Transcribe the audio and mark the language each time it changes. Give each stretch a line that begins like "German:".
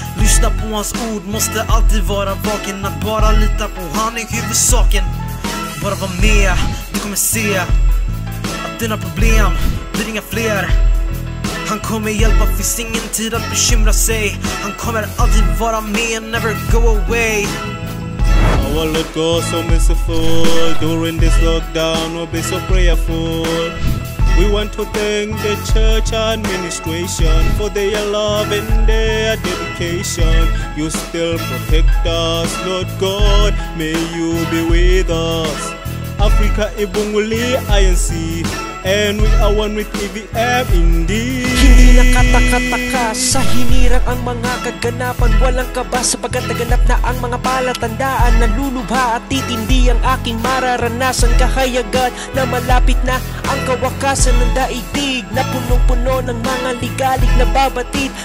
Swedish: Lyssna på hans ord, måste alltid vara vaken. Att bara lita på han är huvudsaken. Bara var med, du kommer se att dina problem blir inga fler. Han kommer hjälpa, finns ingen tid att bekymra sig. Han kommer alltid vara med,
English: never go away. Our Lord God so merciful, during this lockdown we'll be so prayerful. We want to thank the church administration for their love and their dedication. You still protect us, Lord God, may you be with us. Africa Ebonguli INC, and we are one with EVM indeed.
Filipino: Hindi na katakataka sa hinirang ang mga kaganapan. Walang kaba sapagkat naganap na ang mga palatandaan. Nalulubha at titindi ang aking mararanasan. Kahayagan na malapit na ang kawakasan ng daigdig na punong-puno ng mga ligalig na babatid.